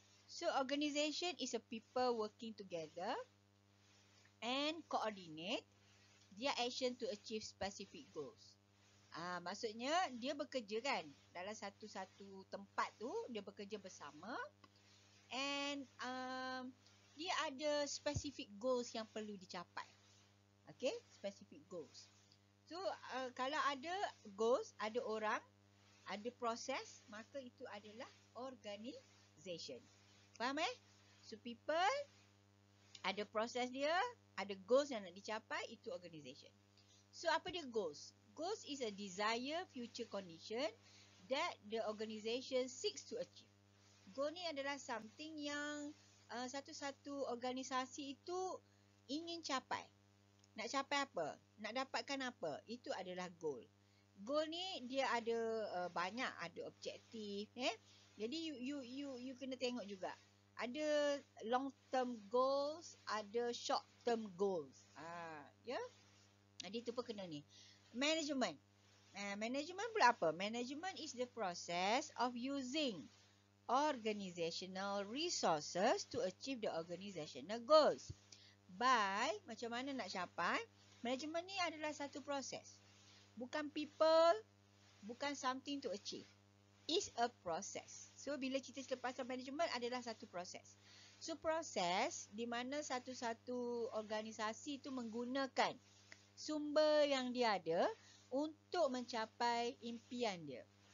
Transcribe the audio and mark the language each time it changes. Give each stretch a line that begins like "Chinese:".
English: So organisation is a people working together and coordinate their action to achieve specific goals.
Malay: Maksudnya dia bekerja kan dalam satu-satu tempat tu, dia bekerja bersama and dia ada specific goals yang perlu dicapai. Okay, specific goals. So, kalau ada goals, ada orang, ada proses, maka itu adalah organization. Faham eh? So, people, ada proses dia, ada goals yang nak dicapai, itu organization. So, apa dia goals?
English: Goals is a desire future condition that the organization seeks to achieve.
Malay: Goal ni adalah something yang satu-satu organisasi itu ingin capai. Nak capai apa? Nak dapatkan apa? Itu adalah goal. Goal ni dia ada banyak, ada objektif. Jadi you kena tengok juga. Ada long term goals, ada short term goals. Jadi tu pun kena ni. Management. Management pula apa?
English: Management is the process of using organizational resources to achieve the organizational goals.
Malay: By, macam mana nak capai? Management ni adalah satu proses. Bukan people, bukan
English: something to achieve. It's a process.
Malay: So, bila kita selepas management adalah satu proses. So, proses di mana satu-satu organisasi tu menggunakan sumber yang dia ada untuk mencapai impian dia.